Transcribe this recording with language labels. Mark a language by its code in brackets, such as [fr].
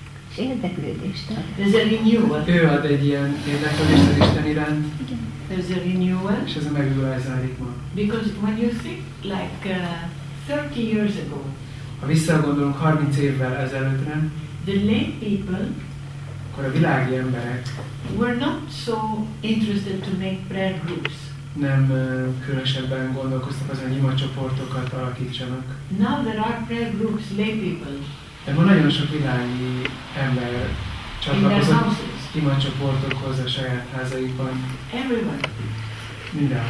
[hu] És érdeklődést ad. Ez a renewal. Ő ad egy ilyen érdeklődést az Isten iránt. Igen. Ez a renewal. És ez a megújulászárik ma. [en] Because when you think like 30 years ago. [hu] Ha visszagondolunk 30 évvel ezelőttre. [en] The lay people. [hu] Akkor a világi emberek. [en] Were not so interested to make prayer groups. [hu] Nem különösebben gondolkoztak azon, hogy ima csoportokat alakítsanak. [en] Now there are prayer groups, lay people. [hu] De ma nagyon sok világi ember csatlakozott ima csoportokhoz a saját házaikban. [en] Everyone. [hu] Mindenhol.